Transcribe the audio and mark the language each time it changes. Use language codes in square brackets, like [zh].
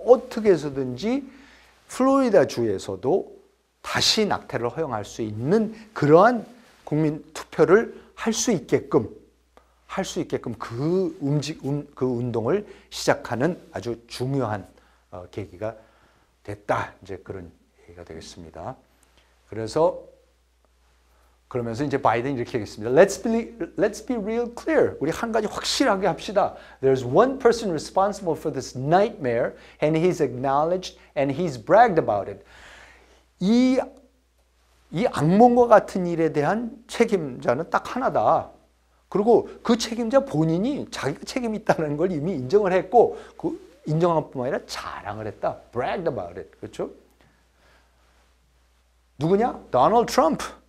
[ko] 어떻게 해서든지 플로리다 주에서도 다시 낙태를 허용할 수 있는 그러한 국민 투표를 할 수 있게끔 그 운동을 시작하는 아주 중요한 계기가 됐다. 이제 그런 얘기가 되겠습니다. 그래서 그러면서 이제 바이든이 이렇게 얘기했습니다. [en] Let's be real clear. [ko] 우리 한 가지 확실하게 합시다. [en] There's one person responsible for this nightmare and he's acknowledged and he's bragged about it. [ko] 이 악몽과 같은 일에 대한 책임자는 딱 하나다. 그리고 그 책임자 본인이 자기가 책임이 있다는 걸 이미 인정을 했고 그 인정한 뿐만 아니라 자랑을 했다. [en] Bragged about it. [ko] 그렇죠? 누구냐? [en] Donald Trump.